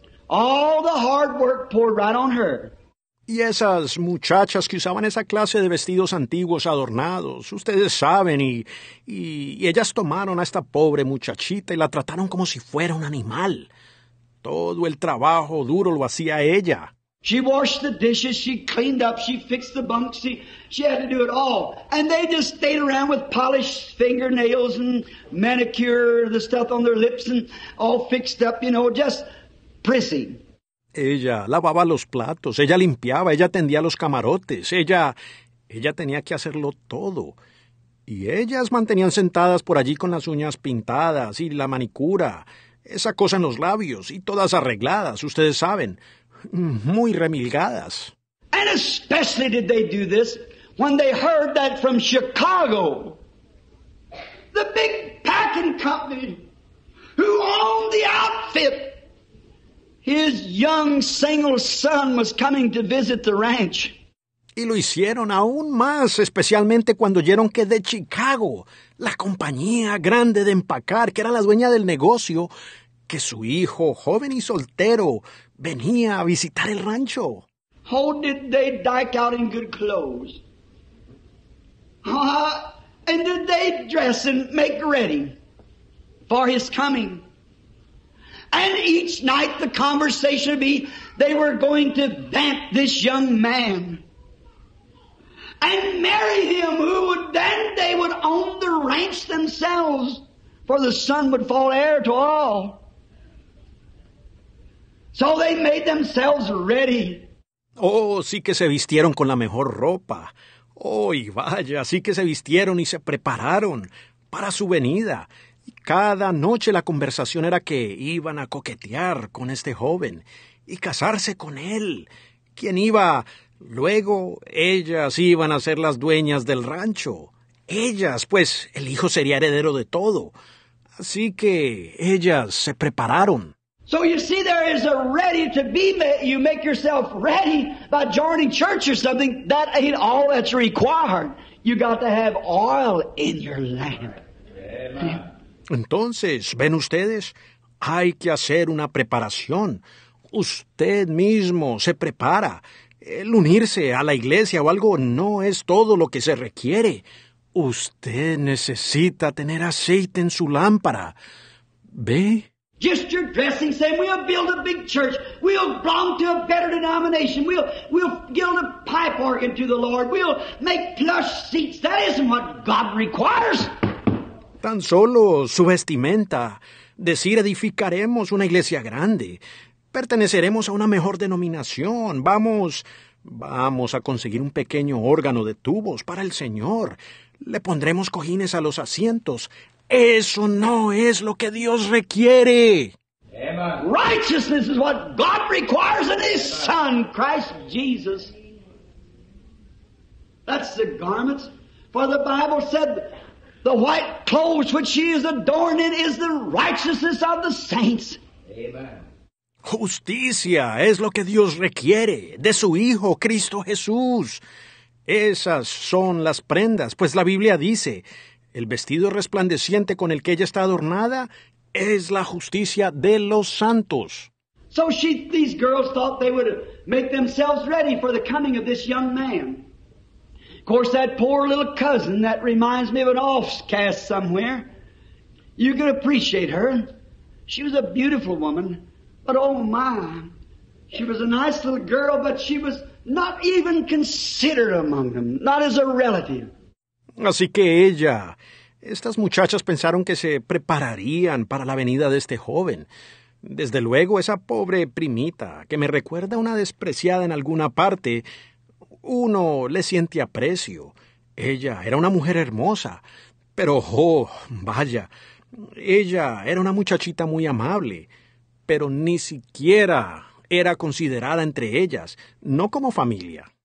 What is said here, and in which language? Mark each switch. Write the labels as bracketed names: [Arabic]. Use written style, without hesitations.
[English] All the hard work poured right on her. [Spanish] Y esas muchachas que usaban esa clase de vestidos antiguos adornados, ustedes saben, y ellas tomaron a esta pobre muchachita y la trataron como si fuera un animal. Todo el trabajo duro lo hacía ella. [English] She washed the dishes, she cleaned up, she fixed the bunks, she had to do it all. And they just stayed around with polished fingernails and manicure, the stuff on their lips and all fixed up, you know, just prissy. [Spanish] Ella lavaba los platos, ella limpiaba, ella tendía los camarotes, ella tenía que hacerlo todo. Y ellas mantenían sentadas por allí con las uñas pintadas y la manicura, esa cosa en los labios y todas arregladas, ustedes saben. Muy remilgadas. [English] And especially did they do this when they heard that from Chicago, the big packing company who owned the outfit, his young single son was coming to visit the ranch. [Spanish] Y lo hicieron aún más, especialmente cuando oyeron que de Chicago, la compañía grande de empacar, que era la dueña del negocio, que su hijo, joven y soltero, venía a visitar el rancho. [English] Oh, did they dike out in good clothes? And did they dress and make ready for his coming? And each night the conversation would be, they were going to vamp this young man and marry him, who would then they would own the ranch themselves, for the son would fall heir to all. So they made themselves ready. [Spanish] Oh, sí que se vistieron con la mejor ropa. Oh, y vaya, sí que se vistieron y se prepararon para su venida. Cada noche la conversación era que iban a coquetear con este joven y casarse con él. ¿Quién iba? Luego, ellas iban a ser las dueñas del rancho. Ellas, pues, el hijo sería heredero de todo. Así que ellas se prepararon. [English] So you see, there is a ready to be made. You make yourself ready by joining church or something. That ain't all that's required. You got to have oil in your lamp. [Spanish] Entonces, ven ustedes, hay que hacer una preparación. Usted mismo se prepara. El unirse a la iglesia o algo no es todo lo que se requiere. Usted necesita tener aceite en su lámpara. ¿Ve? [English] Just your dressing, Sam. We'll build a big church. We'll belong to a better denomination. We'll build a pipe organ to the Lord. We'll make plush seats. That isn't what God requires. [Spanish] Tan solo su vestimenta. Decir edificaremos una iglesia grande. Perteneceremos a una mejor denominación. Vamos a conseguir un pequeño órgano de tubos para el Señor. Le pondremos cojines a los asientos. Eso no es lo que Dios requiere. [English] Amen. Righteousness is what God requires in His Son, Christ Jesus. That's the garments. For the Bible said, the white clothes which she is adorned in is the righteousness of the saints. Amen. [Spanish] Justicia es lo que Dios requiere de su Hijo, Cristo Jesús. Esas son las prendas, pues la Biblia dice, el vestido resplandeciente con el que ella está adornada es la justicia de los santos. [English] So these girls thought they would make themselves ready for the coming of this young man. Of course, that poor little cousin, that reminds me of an offcast somewhere. You can appreciate her. She was a beautiful woman, but oh my, she was a nice little girl, but she was not even considered among them, not as a relative. [Spanish] Así que ella, estas muchachas pensaron que se prepararían para la venida de este joven. Desde luego, esa pobre primita, que me recuerda a una despreciada en alguna parte, uno le siente aprecio. Ella era una mujer hermosa, pero, oh, vaya, ella era una muchachita muy amable, pero ni siquiera era considerada entre ellas, no como familia.